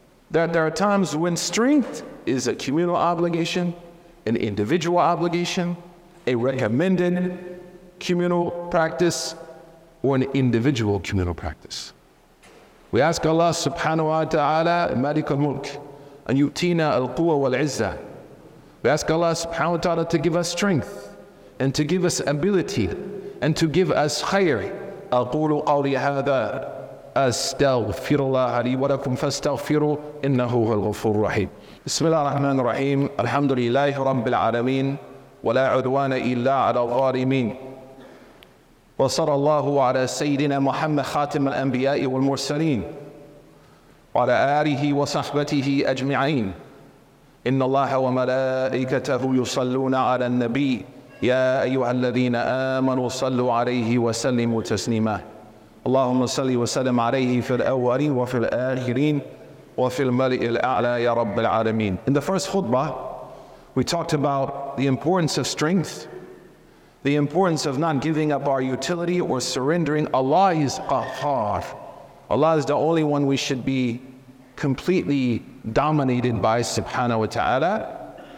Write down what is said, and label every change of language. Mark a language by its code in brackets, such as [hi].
[en] That there are times when strength is a communal obligation, an individual obligation, a recommended communal practice, or an individual communal practice. We ask Allah subhanahu wa ta'ala, Malik al-Mulk, [ar] an yu'tina al-quwa wal-izzah. [en] We ask Allah subhanahu wa ta'ala to give us strength, and to give us ability, and to give us khayr. [ar] Al-qulu qawli hadha. أستغفر الله لي ولكم فاستغفروا إنه هو الغفور الرحيم. بسم الله الرحمن الرحيم. الحمد لله رب العالمين ولا عدوان إلا على الظالمين. وصلى الله على سيدنا محمد خاتم الأنبياء والمرسلين وعلى آله وصحبته أجمعين. إن الله وملائكته يصلون على النبي يا أيها الذين آمنوا صلوا عليه وسلموا تسليما. اللهم صل وسلم عليه في الأولين وفي الآخرين وفي الملأ الأعلى يا رب العالمين. [en] In the first khutbah, we talked about the importance of strength, the importance of not giving up our utility or surrendering. Allah is Qahhar. Allah is the only one we should be completely dominated by, subhanahu wa ta'ala.